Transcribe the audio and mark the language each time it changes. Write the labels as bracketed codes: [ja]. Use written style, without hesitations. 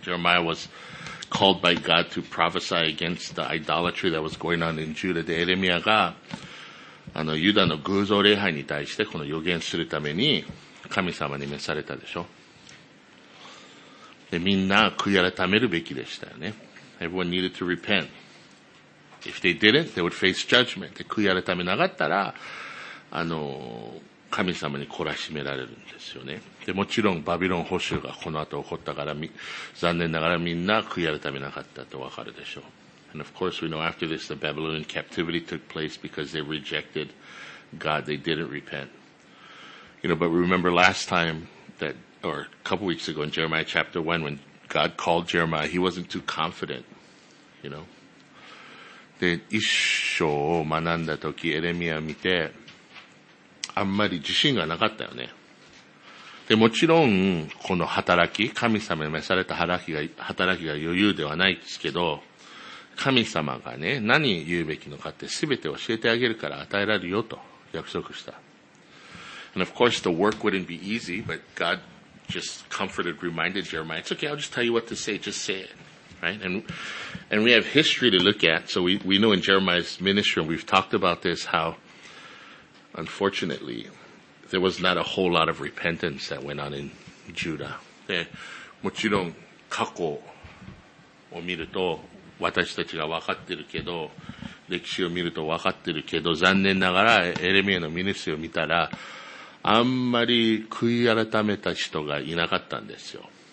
[en] Jeremiah was called by God to prophesy against the idolatry that was going on in Judah. [ja] で、エレミアがユダの偶像礼拝に対してこの予言するために神様に召されたでしょ。で、みんな悔い改めるべきでしたよね。 [en] Everyone needed to repent. If they didn't, they would face judgment. [ja] で、悔い改めなかったら、神様に懲らしめられるんですよね。で、もちろんバビロン捕囚がこの後起こったから、残念ながらみんな悔い改めなかったとわかるでしょう。 [en] And of course, we know after this, the Babylonian captivity took place because they rejected God. They didn't repent. You know, but remember last time that, or a couple weeks ago in Jeremiah chapter 1, when God called Jeremiah, he wasn't too confident, you know. [ja] で、一章を学んだ時、エレミア見て、あんまり自信がなかったよね。で、もちろん、この働き、神様に召された働きが余裕ではないですけど、神様がね、何言うべきのかって全て教えてあげるから与えられるよと約束した。 [en] And of course the work wouldn't be easy, but God just comforted, reminded Jeremiah, it's okay, I'll just tell you what to say, just say it. Right? And we have history to look at, so we know in Jeremiah's ministry, and we've talked about this, how unfortunately there was not a whole lot of repentance that went on in Judah. [ja] で、もちろん過去を見ると私たちが分かってるけど、歴史を見ると分かってるけど、残念ながらエレミアのミニスを見たら、あんまり悔い改めた人がいなかったんですよ。